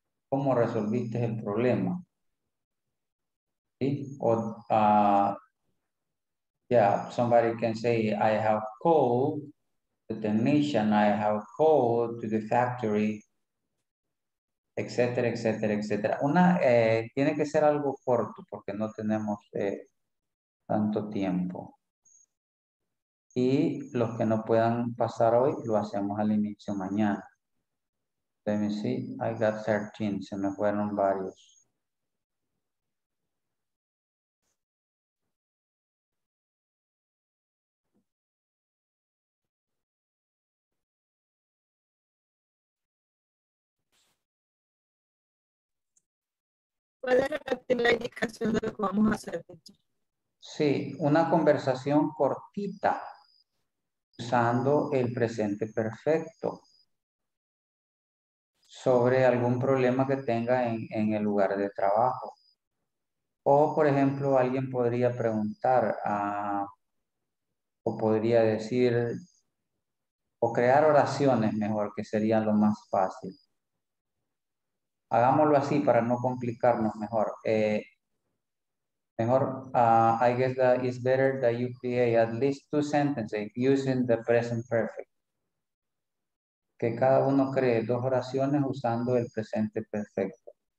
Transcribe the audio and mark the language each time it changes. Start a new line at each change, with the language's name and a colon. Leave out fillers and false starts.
Spanish: ¿Cómo resolviste el problema? ¿Sí?
English: O, yeah, somebody can say, I have called the technician, I have called to the factory, etc., etc., etc.
Spanish: Una, tiene que ser algo corto porque no tenemos tanto tiempo. Y los que no puedan pasar hoy, lo hacemos al inicio mañana.
English: Let me see. I got 13.
Spanish: Se me fueron varios. ¿Puede repetir la indicación de lo que vamos a hacer? Sí, una conversación cortita usando el presente perfecto sobre algún problema que tenga en el lugar de trabajo. O, por ejemplo, alguien podría preguntar o podría decir o crear oraciones mejor, que sería lo más fácil. Hagámoslo así para no complicarnos mejor.
English: I guess that it's better that you create at least two sentences using the present perfect.
Spanish: Que cada uno cree dos oraciones usando el presente perfecto.